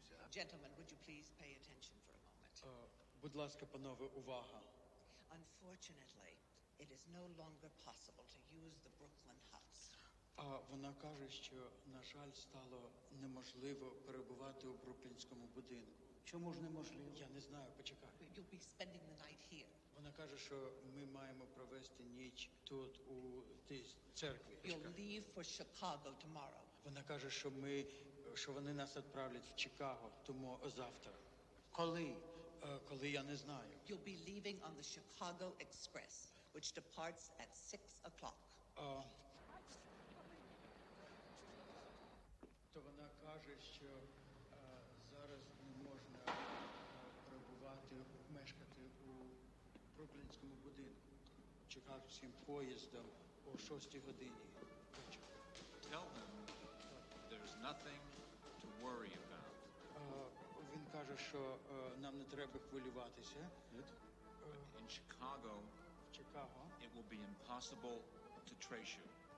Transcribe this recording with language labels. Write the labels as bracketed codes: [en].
[en] Gentlemen, would you please pay attention for a moment? [uk] Будь ласка, панове, увага. [en] Unfortunately, it is no longer possible to use the Brooklyn huts. [uk] Вона каже, що, на жаль, стало неможливо перебувати у Бруклінському будинку. Чому ж неможливо? Я не знаю, почекай. [en] You'll be spending the night here. [uk] Вона каже, що ми маємо провести ніч тут у тій церкві. [en] You'll leave for Chicago tomorrow. [uk] Вона каже, що ми, що вони нас відправлять в Чикаго тому завтра. Коли? Коли, я не знаю. [en] You'll be leaving on the Chicago Express, which departs at 6 o'clock. [uk] То вона каже, що зараз не можна перебувати, мешкати у Бруклінському будинку. Чекати всім поїздом о 6 годині. [en] Tell them there's nothing to worry about. [uk] Він каже, що нам не треба хвилюватися. [en] In Chicago, it will be impossible to trace you.